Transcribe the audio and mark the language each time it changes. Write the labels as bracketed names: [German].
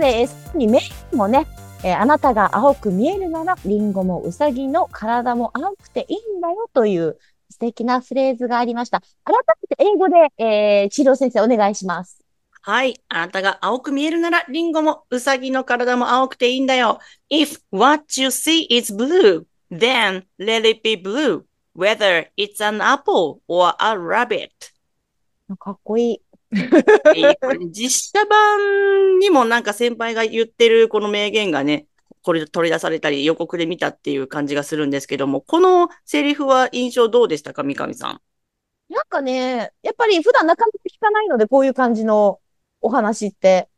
[Japanese] ね、さらにメインもね、あなたが青く見えるならリンゴもウサギの体も青くていいんだよという素敵なフレーズがありました。改めて英語で、千尋先生お願いします。はい、あなたが青く見えるならリンゴもウサギの体も青くていいんだよ。 [English] If what you see is blue, then let it be blueWhether it's an apple or a rabbit. [Japanese] かっこいい。実写版にもなんか先輩が言ってるこの名言がね、これ取り出されたり予告で見たっていう感じがするんですけども、このセリフは印象どうでしたか、三上さん。なんかね、やっぱり普段なかなか聞かないので、こういう感じのお話って。